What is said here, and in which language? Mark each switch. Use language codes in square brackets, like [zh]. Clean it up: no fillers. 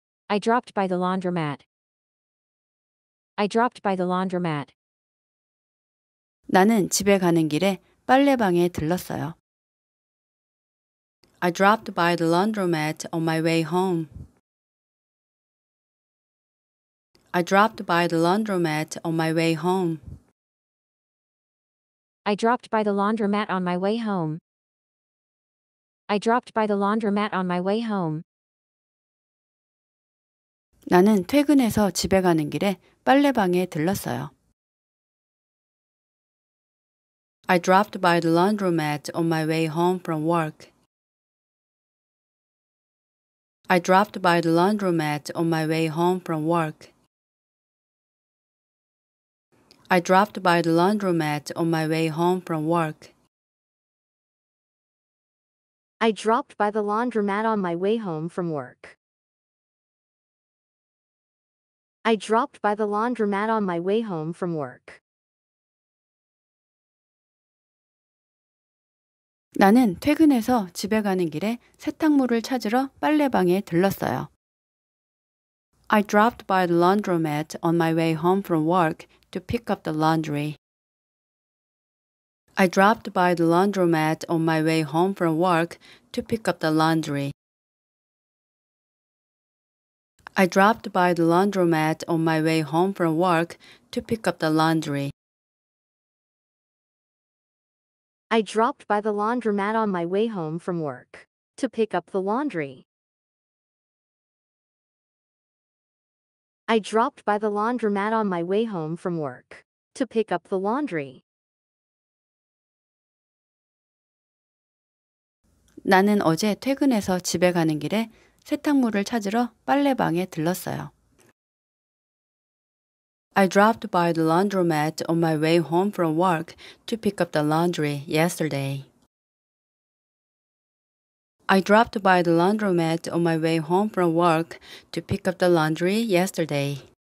[en] I dropped by the laundromat. I dropped by the laundromat. [ko] 나는 집에 가는 길에 빨래방에 들렀어요. [en] I dropped by the laundromat on my way home. I dropped by the laundromat on my way home. I dropped by the laundromat on my way home. I dropped by the laundromat on my way home. [ko] 나는 퇴근해서 집에 가는 길에 빨래방에 들렀어요. [en] I dropped by the laundromat on my way home from work. I dropped by the laundromat on my way home from work. I dropped by the laundromat on my way home from work. I dropped by the laundromat on my way home from work. I dropped by the laundromat on my way home from work. [ko] 나는 퇴근해서 집에 가는 길에 세탁물을 찾으러 빨래방에 들렀어요. [en] I dropped by the laundromat on my way home from work to pick up the laundry. I dropped by the laundromat on my way home from work to pick up the laundry. I dropped by the laundromat on my way home from work to pick up the laundry. I dropped by the laundromat on my way home from work to pick up the laundry. I dropped by the laundromat on my way home from work to pick up the laundry. [ko] 나는 어제 퇴근해서 집에 가는 길에 세탁물을 찾으러 빨래방에 들렀어요. [en] I dropped by the laundromat on my way home from work to pick up the laundry yesterday. I dropped by the laundromat on my way home from work to pick up the laundry yesterday.